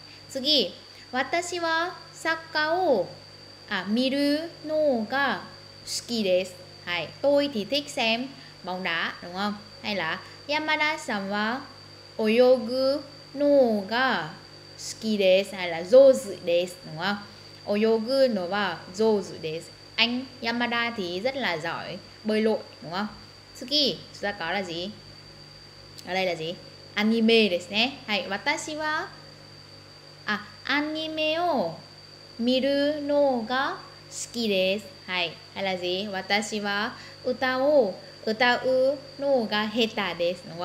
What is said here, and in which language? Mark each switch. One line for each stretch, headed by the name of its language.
Japanese: 次、私はサッカーを見るのが好きです。はい。
Vietnamese: Tôi thì thích xem bóng đá, đúng không? Hay là
Japanese: 山田さんは泳ぐのが好きです。
Vietnamese: Hay là
Japanese: 上手です。
Vietnamese: đúng không?
Japanese: 泳ぐのは上手です。
Vietnamese: Anh 山田 thì rất là giỏi bơi lội, đúng không? 次、chúng ta có là gì? Ở đây là gì?
Japanese: Anime ですね。はい。私は Anime を見るのが好きです。はい、あらじ、私は歌を歌うのが下手です。